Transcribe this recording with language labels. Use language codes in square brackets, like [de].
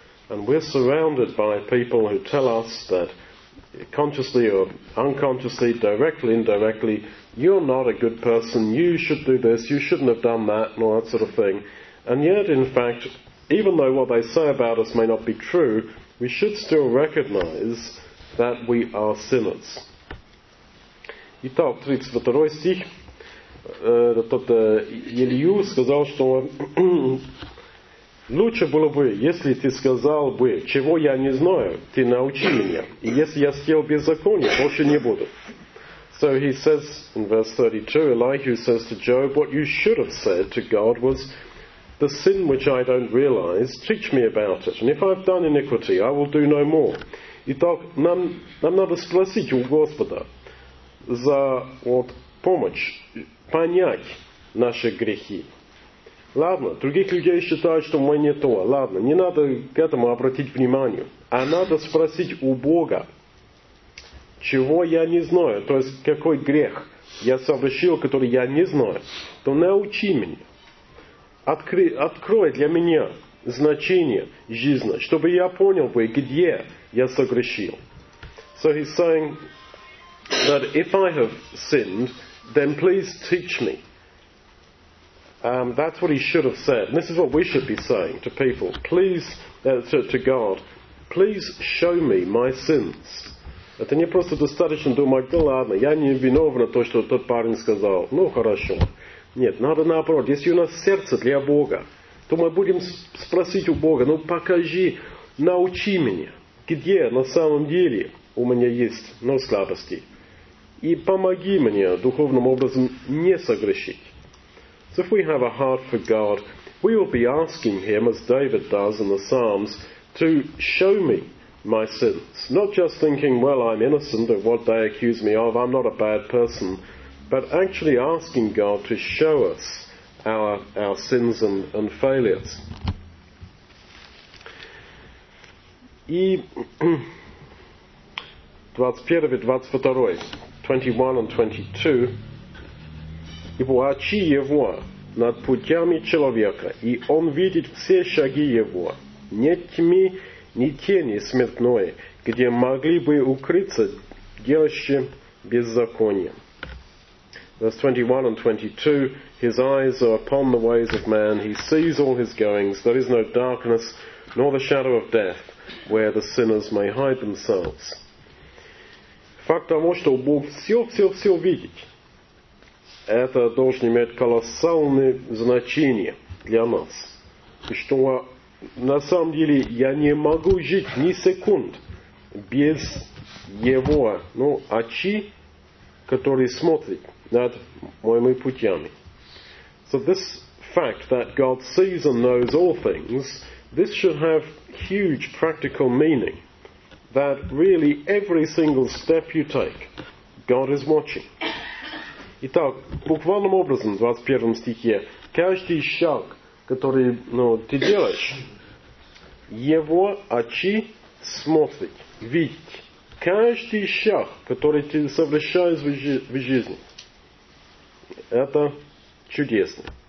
[en] And we're surrounded by people who tell us that consciously or unconsciously, directly, indirectly, you're not a good person, you should do this, you shouldn't have done that, and all that sort of thing. And yet, in fact, even though what they say about us may not be true, we should still recognize that we are sinners. [ru] Итак, 32 стих, тот Илью сказал, что лучше было бы, если ты сказал бы, чего я не знаю, ты научи меня, и если я съел беззаконие, больше не буду. [en] So he says in verse 32, Elihu says to Job, what you should have said to God was, the sin which I don't realize, teach me about it. And if I've done iniquity, I will do no more. [ru] Итак, нам надо спросить у Господа за вот помощь понять наши грехи. Ладно, других людей считают, что мы не то. Ладно, не надо к этому обратить внимание. А надо спросить у Бога, чего я не знаю. То есть, какой грех я совершил, который я не знаю. То научи меня. Открой для меня значение жизни, чтобы я понял бы, где я согрешил. [en] So he's saying that if I have sinned, then please teach me. That's what he should have said. And this is what we should be saying to people. Please, to God, please show me my sins. [ru] Это не просто достаточно думать, ну ладно, я не виновен в том, что тот парень сказал. Ну хорошо. Нет, надо наоборот. Если у нас сердце для Бога, то мы будем спросить у Бога, ну покажи, научи меня, где на самом деле у меня есть но слабости. И помоги мне духовным образом не согрешить. [en] So if we have a heart for God, we will be asking him, as David does in the Psalms, to show me my sins. Not just thinking, well, I'm innocent of what they accuse me of, I'm not a bad person, but actually asking God to show us our sins and failures. [ru] И 21 и 22, Ибо очи его над путями человека, и он видит все шаги его, ни тьми, ни тени смертной, где могли бы укрыться делающие беззаконие. [en] Verse 21 and 22, his eyes are upon the ways of man, he sees all his goings, there is no darkness, nor the shadow of death, where the sinners may hide themselves. [ru] Факт того, что Бог все видит, это должно иметь колоссальное значение для нас. И что на самом деле я не могу жить ни секунд без его, ну, очи, которые смотрят над моими путями. [en] So this fact that God sees and knows all things, this should have huge practical meaning. That really every single step you take, God is watching. [ru] Итак, буквальным образом, в 21 стихе, каждый шаг, который ну, ты делаешь, его очи смотрят, видят. Каждый шаг, который ты совершаешь в жизни, это чудесно.